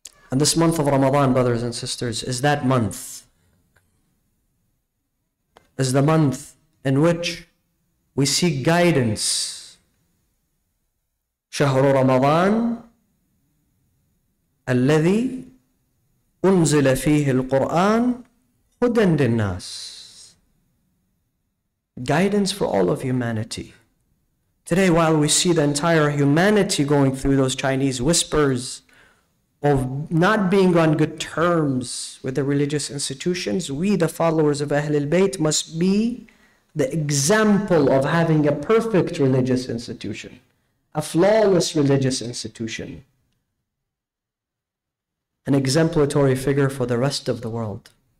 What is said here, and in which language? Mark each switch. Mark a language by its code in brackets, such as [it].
[en] And this month of Ramadan, brothers and sisters, is that month. Is the month in which we seek guidance. [ar] شهر رمضان الذي أنزل فيه القرآن هدى للناس. [en] Guidance for all of humanity. Today, while we see the entire humanity going through those Chinese whispers of not being on good terms with the religious institutions, we, the followers of Ahlul Bayt, must be the example of having a perfect religious institution, a flawless religious institution, an exemplary figure for the rest of the world.